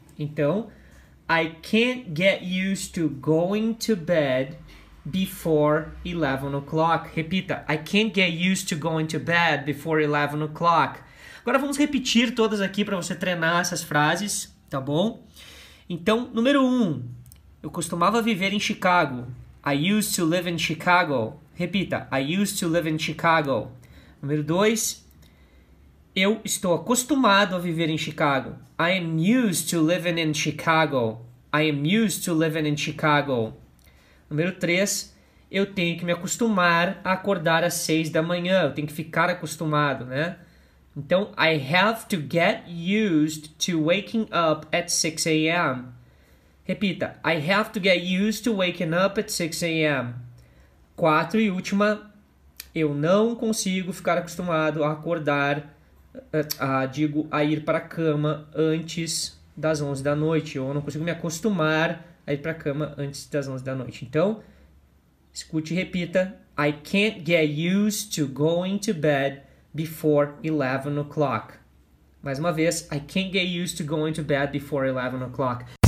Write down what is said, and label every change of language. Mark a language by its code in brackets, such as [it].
[en] Então, I can't get used to going to bed before 11 o'clock. Repita. I can't get used to going to bed before 11 o'clock. [pt] Agora vamos repetir todas aqui para você treinar essas frases, tá bom? Então, número 1. Eu costumava viver em Chicago. [en] I used to live in Chicago. Repita. I used to live in Chicago. [pt] Número 2. Eu estou acostumado a viver em Chicago. [en] I am used to living in Chicago. I am used to living in Chicago. [pt] Número 3, eu tenho que me acostumar a acordar às 6 da manhã, eu tenho que ficar acostumado, né? [en] Então, I have to get used to waking up at 6 a.m. Repita, I have to get used to waking up at 6 a.m. [pt] 4 e última, eu não consigo ficar acostumado a acordar, digo, a ir para a cama antes das 11 da noite, eu não consigo me acostumar a ir para a cama antes das 11 da noite. Então, escute e repita. [en] I can't get used to going to bed before 11 o'clock. [pt] Mais uma vez. [en] I can't get used to going to bed before 11 o'clock.